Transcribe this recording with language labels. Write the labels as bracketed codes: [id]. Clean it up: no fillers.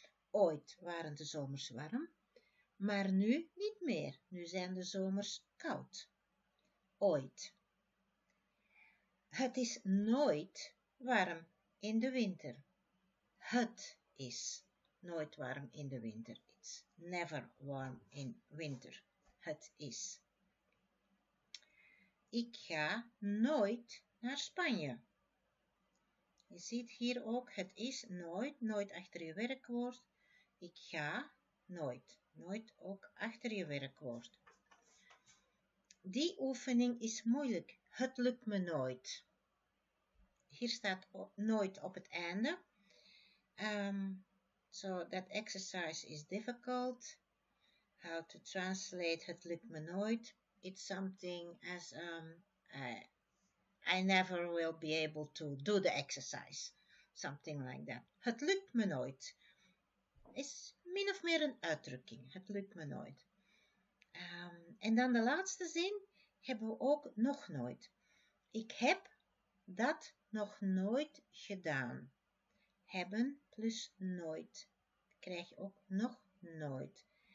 [nl] Ooit waren de zomers warm, maar nu niet meer. Nu zijn de zomers koud. Ooit. Het is nooit warm in de winter. Het is nooit warm in de winter. [en] It's never warm in winter. [nl] Het is. Ik ga nooit naar Spanje. Je ziet hier ook, het is nooit, nooit achter je werkwoord. Ik ga nooit nooit ook achter je werkwoord. Die oefening is moeilijk. Het lukt me nooit. Hier staat nooit op het einde. [en] So that exercise is difficult. How to translate [nl] het lukt me nooit. [en] It's something as I never will be able to do the exercise. Something like that. [nl] Het lukt me nooit. Is min of meer een uitdrukking. Het lukt me nooit. En dan de laatste zin hebben we ook nog nooit. Ik heb dat nog nooit gedaan. Hebben plus nooit. Krijg je ook nog nooit.